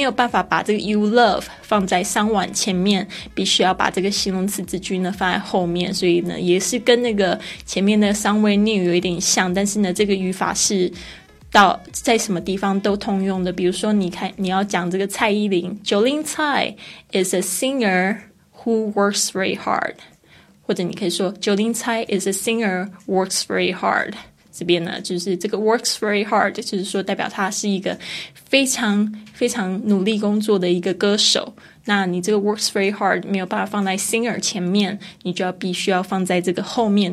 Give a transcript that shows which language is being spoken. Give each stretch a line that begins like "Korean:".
Chinese: 法把这个 you love 放在 someone 前面，必须要把这个形容词子句呢放在后面，所以呢也是跟那个前面的 somewhere new 有一点像，但是呢这个语法是到在什么地方都通用的，比如说你要讲这个蔡依林，
English: Jolene Tsai is a singer who works very hard,
Chinese: 或者你可以说
English: Jolin Tsai is a singer, works very hard。
Chinese: 这边呢就是这个
English: works very hard
Chinese: 就是说代表他是一个非常非常努力工作的一个歌手，那你这个 works very hard 没有办法放在 singer 前面，你就要必须要放在这个后面。